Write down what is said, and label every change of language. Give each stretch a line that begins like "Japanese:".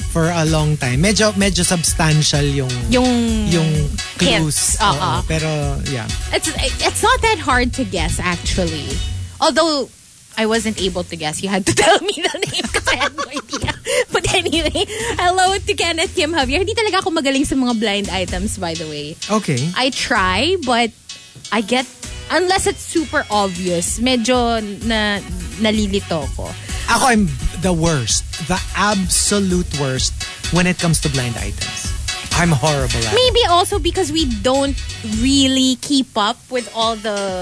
English: for a long time, medyo substantial yung clues. Uh-uh. Pero, yeah. It's not that hard to guess, actually. Although, I wasn't able to guess. You had to tell me the name because I had no idea. But anyway, hello to Kenneth Kim Javier.
Filipino: Hindi talaga ako magaling sa mga blind items,
English: by the way. Okay. I try, but I get, unless it's super obvious,
Filipino: medyo nalilito ko.
English: Ako, I'm the worst. The absolute worst when it comes to blind items. I'm horrible at it. Maybe also because we don't really keep up with all the